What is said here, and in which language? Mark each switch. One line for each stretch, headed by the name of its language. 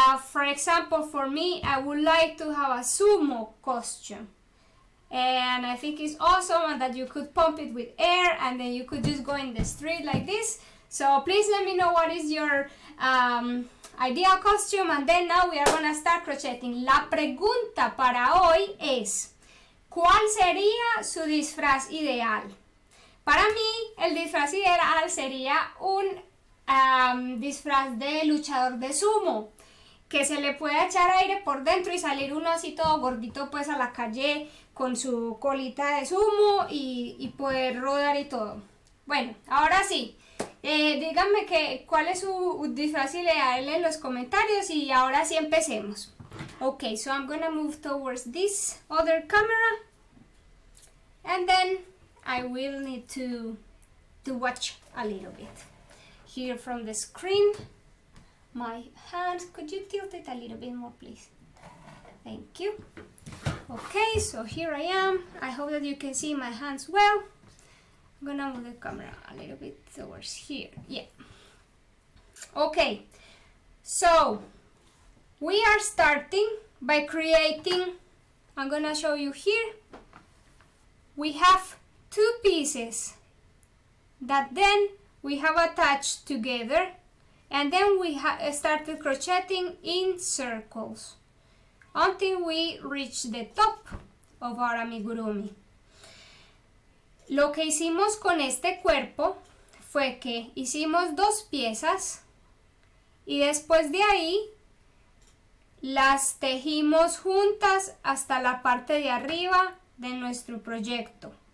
English: For example, for me, I would like to have a sumo costume. And I think it's awesome that you could pump it with air and then you could just go in the street like this. So please let me know what is your ideal costume. And then now we are going to start crocheting.
Spanish: La pregunta para hoy es, ¿cuál sería su disfraz ideal? Para mí, el disfraz ideal sería un disfraz de luchador de sumo, que se le puede echar aire por dentro y salir uno así todo gordito pues a la calle con su colita de sumo y poder rodar y todo. Bueno, ahora sí, díganme que, cuál es su disfraz ideal en los comentarios y ahora sí empecemos.
English: Ok, so I'm gonna move towards this other camera and then I will need to watch a little bit here from the screen. My hands, could you tilt it a little bit more, please? Thank you. Okay, so here I am. I hope that you can see my hands well. I'm gonna move the camera a little bit towards here. Yeah. Okay, so we are starting by creating, I'm gonna show you here. We have two pieces that then we have attached together. And then we started crocheting in circles until we reach the top of our amigurumi.
Spanish: Lo que hicimos con este cuerpo fue que hicimos dos piezas y después de ahí las tejimos juntas hasta la parte de arriba de nuestro proyecto.